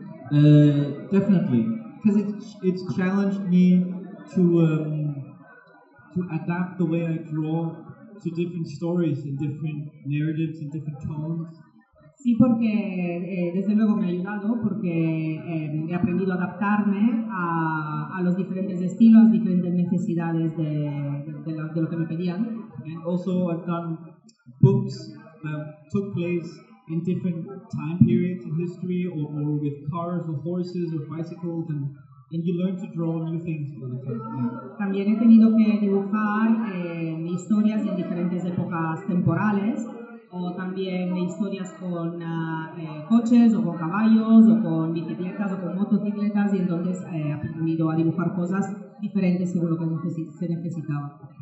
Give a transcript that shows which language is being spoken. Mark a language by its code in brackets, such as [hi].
[en] Definitely, because it's challenged me to adapt the way I draw to different stories and different narratives and different tones. [es] Sí, porque desde luego me ha ayudado porque he aprendido a adaptarme a los diferentes estilos, diferentes necesidades de lo que me pedían. [en] And also, I've done books that took place in different time periods in history, or with cars or horses or bicycles, and you learn to draw new things all the time. [es] También he tenido que dibujar historias en diferentes épocas temporales, o también historias con coches o con caballos o con bicicletas o con motocicletas, y entonces he aprendido a dibujar cosas diferentes según lo que se necesitaba.